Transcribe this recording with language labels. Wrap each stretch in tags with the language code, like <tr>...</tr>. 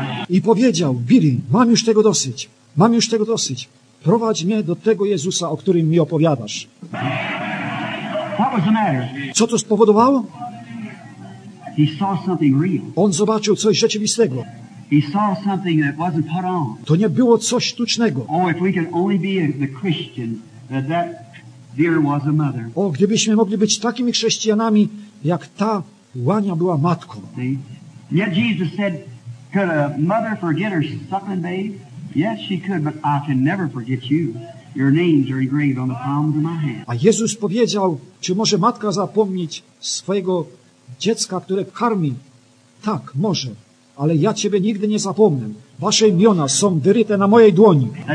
<pl>I powiedział, Billy, mam już tego dosyć. Prowadź mnie do tego Jezusa, o którym mi opowiadasz. Co to spowodowało?</pl> <en>He saw something real.</en> <pl>On zobaczył coś rzeczywistego.</pl> <en>He saw something that wasn't put on.</en> <pl>To nie było coś sztucznego.</pl> <en>Oh, if we could only be the Christian that dear was a mother.</en> <pl>O, gdybyśmy mogli być takimi chrześcijanami, jak ta łania była matką.</pl> <en>Yet Jesus said, could a mother forget her suckling babe? Yes, she could, but I can never forget you. Your names are engraved on the palms of my hand.</en> <pl>A Jezus powiedział, czy może matka zapomnieć swojego dziecka, które karmi? Tak, może, ale ja Ciebie nigdy nie zapomnę. Wasze imiona są wyryte na mojej dłoni.</pl>